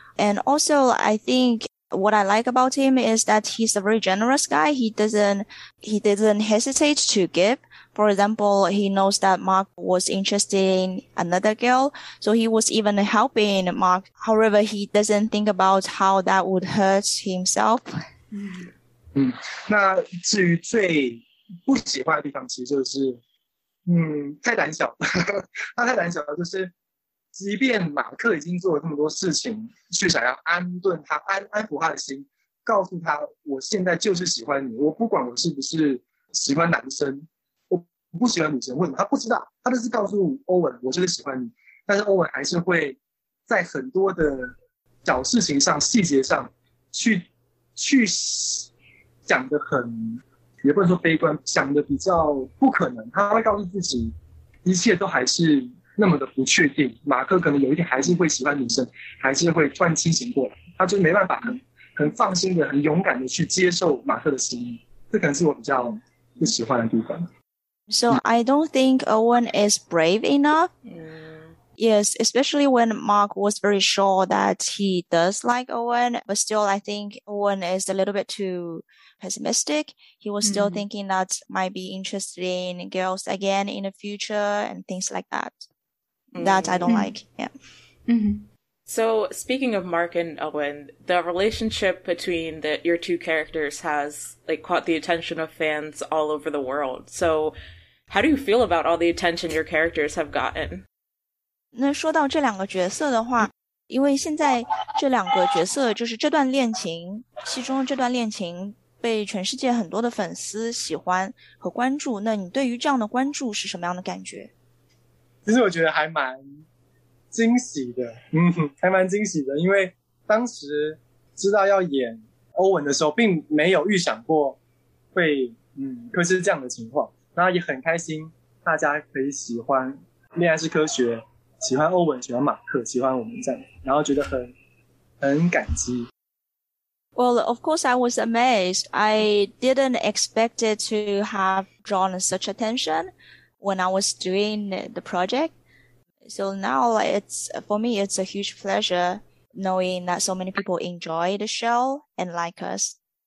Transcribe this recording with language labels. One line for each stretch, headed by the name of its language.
English: And also I think what I like about him is that he's a very generous guy. He doesn't hesitate to give. For example, he knows that Mark was interested in another girl, so he was even helping Mark. However, he doesn't think about how that would hurt himself.
Chinese: 那至于最不喜欢的地方，其实就是，太胆小了。他太胆小了，就是。即便马克已经做了这么多事情去想要安顿他 安抚他的心，告诉他我现在就是喜欢你，我不管我是不是喜欢男生，我不喜欢女生，为什么？他不知道，他就是告诉欧文我就是喜欢你，但是欧文还是会在很多的小事情上细节上去想得很，也不能说悲观，想得比较不可能，他会告诉自己一切都还是那么的不确定，马克可能有一天还是会喜欢女生，还是会突然清醒过来，他就没办法很放心的、很勇敢的去接受马克的心意，这可能是我比较不喜欢的地方。
English: So I don't think Owen is brave enough. Yes, especially when Mark was very sure that he does like Owen, but still I think Owen is a little bit too pessimistic. He was still thinking that might be interested in girls again in the future and things like that. That I don't like, yeah. So, speaking of Mark and Owen, the relationship between your two characters has like caught the attention of fans all over the world. So, how do you feel about all the attention your characters have gotten?
Chinese: 那说到这两个角色的话，因为现在这两个角色就是这段恋情，其中这段恋情被全世界很多的粉丝喜欢和关注，那你对于这样的关注是什么样的感觉？其实我觉得还蛮惊喜的，还蛮惊喜的，因为当时知道要演欧文的时候并没有预想过会是这样的情况，然后也很开心大家可以喜欢恋爱是科学，喜欢欧文，喜欢马克，喜欢我们这样，然后觉得很感激。
English: Well, of course, I was amazed. I didn't expect it to have drawn such attention when I was doing the project. So now for me, it's a huge pleasure knowing that so many people enjoy the show and like us.